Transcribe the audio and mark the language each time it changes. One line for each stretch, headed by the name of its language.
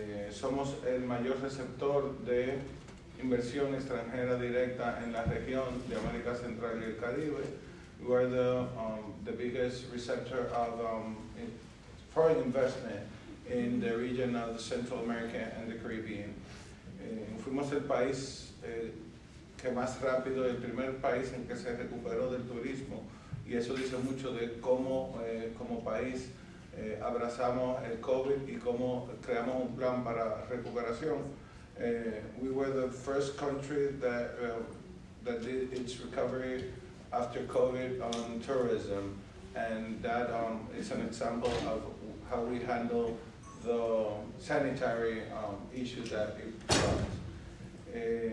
Spanish: somos el mayor receptor de inversión extranjera directa en la región de América Central y el Caribe.
English: We're the biggest receptor of foreign investment in the region of the Central America and the Caribbean.
Spanish: Fuimos el país que más rápido, el primer país en que se recuperó del turismo, y eso dice mucho de cómo como país abrazamos el COVID y cómo creamos un plan para recuperación.
English: We were the first country that did its recovery after COVID on tourism, and that is an example of how we handle the sanitary issues that it brought.